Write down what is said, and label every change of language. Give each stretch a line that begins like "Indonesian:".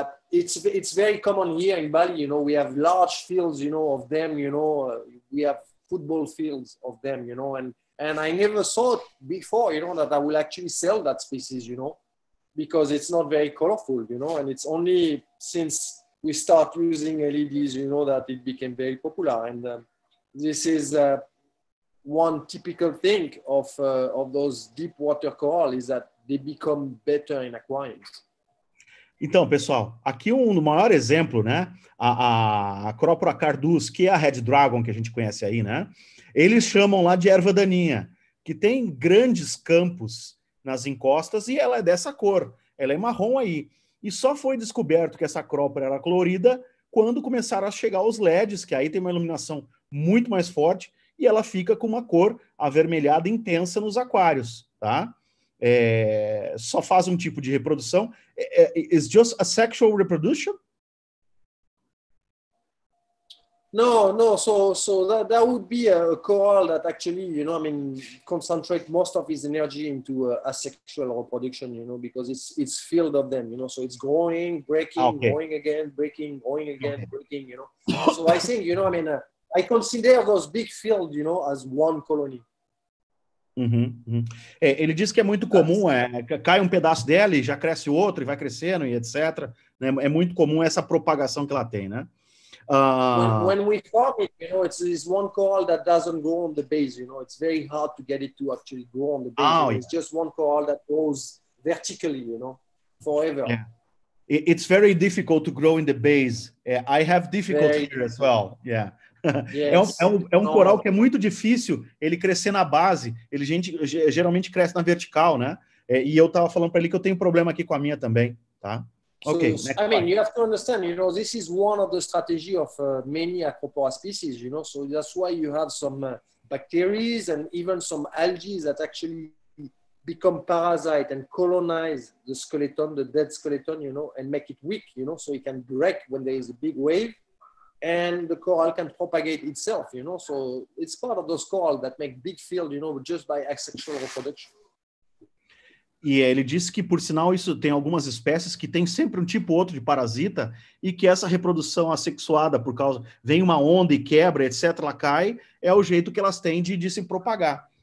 English: It's very common here in Bali, you know. We have large fields, you know, of them, you know, we have football fields of them, you know, and I never thought before, you know, that I will actually sell that species, you know, because it's not very colorful, you know, and it's only since we start using LEDs, you know, that it became very popular. And this is one typical thing of those deep water coral is that they become better in aquariums.
Portuguese: Então, pessoal, aqui um maior exemplo, né? A Cropora cardus, que é a Red Dragon que a gente conhece aí, né? Eles chamam lá de erva daninha, que tem grandes campos nas encostas e ela é dessa cor. Ela é marrom aí. E só foi descoberto que essa Cropora era colorida quando começaram a chegar os LEDs, que aí tem uma iluminação muito mais forte e ela fica com uma cor avermelhada intensa nos aquários, tá? É, só faz um tipo de reprodução.
English: Is just a sexual reproduction? No. So that would be a coral that actually, you know, I mean, concentrate most of its energy into asexual reproduction, you know, because it's filled of them, you know. So it's growing, breaking, okay. Growing again, breaking, growing again, okay. Breaking, you know. So I think, you know, I mean, I consider those big fields, you know, as one colony.
Portuguese: É, ele diz que é muito comum, cai um pedaço dela e já cresce outro e vai crescendo e etc. Né? É muito comum essa propagação que ela tem, né?
English: When we farm it, you know, it's one coral that doesn't grow on the base, you know, it's very hard to get it to actually grow on the base. Ah, it's just one coral that grows vertically, you know, forever. Yeah. It's very difficult to grow in the base. I have difficulty very here difficult. As well, yeah. Yes.
Portuguese: É um coral que é muito difícil ele crescer na base, ele geralmente cresce na vertical, né? E eu tava falando para ele que eu tenho problema aqui com a minha também, tá?
English: Okay, so, next I part. Mean, you have to understand, you know, this is one of the strategy of many Acropora species, you know, so that's why you have some bacteria and even some algae that actually become parasite and colonize the skeleton, the dead skeleton, you know, and make it weak, you know, so it can break when there is a big wave. And the coral can propagate itself, you know. So it's part of those corals that make big field, you know, just by asexual reproduction.
Portuguese: E ele disse que, por sinal, isso tem algumas espécies que tem sempre um tipo ou outro de parasita e que essa reprodução assexuada, por causa, vem uma onda e quebra, etc., ela cai, é o jeito que elas têm de se propagar.